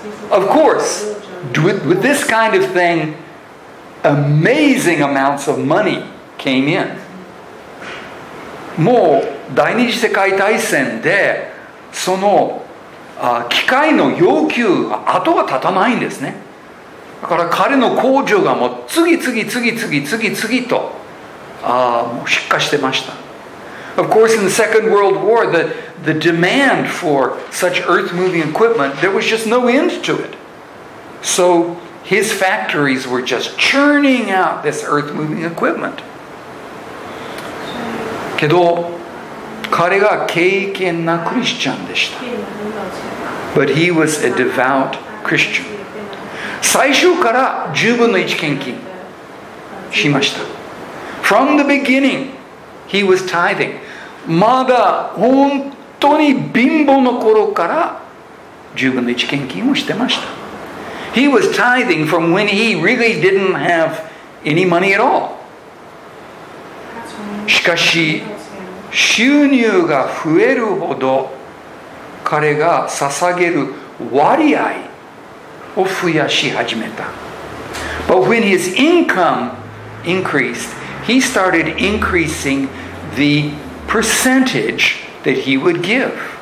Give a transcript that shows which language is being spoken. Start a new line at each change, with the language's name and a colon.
English: Of course, with this kind of thing,Amazing amounts of money came in.
Japanese: もう第二次世界大戦でその機械の要求が後は立たないんですね。だから彼の工場がもう次々と出荷してました。
English: Of course, in the Second World War, the demand for such earth-moving equipment, there was just no end to it. So,His factories were just churning out this earth-moving equipment.
Japanese: けど、彼が敬虔なクリスチャンでした。
English: But he was a devout Christian.
Japanese: 最初から10分の1献金しました。
English: From the beginning, he was tithing.
Japanese: まだ本当に貧乏の頃から10分の1献金をしてました。
English: He was tithing from when he really didn't have any money at all.
Japanese: しかし、収入が増えるほど彼が捧げる割合を増やし始めた。
English: But when his income increased, he started increasing the percentage that he would give.